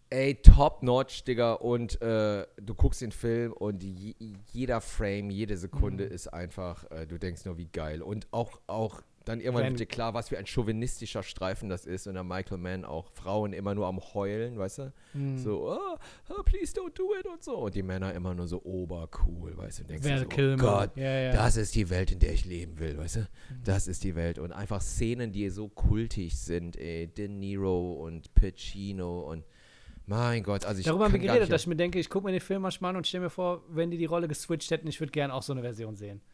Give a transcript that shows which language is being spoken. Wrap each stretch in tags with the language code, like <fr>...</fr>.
<de>Ey, Top Notch, Digga. Und du guckst den Film und jeder Frame, jede Sekunde ist einfach, du denkst nur, wie geil. Und auch dann irgendwann wird dir klar, was für ein chauvinistischer Streifen das ist. Und dann Michael Mann auch Frauen immer nur am Heulen, weißt du?</de> <en>So, oh, please don't do it</en> <de>und so. Und die Männer immer nur so obercool, weißt du? Und denkst so, oh Gott, das ist die Welt, in der ich leben will, weißt du? Das ist die Welt. Und einfach Szenen, die so kultig sind, ey. De Niro und Pacino und mein Gott, also ich darüber haben wir geredet, dass ich mir denke, ich gucke mir den Film manchmal an und stelle mir vor, wenn die Rolle geswitcht hätten, ich würde gerne auch so eine Version sehen.</de>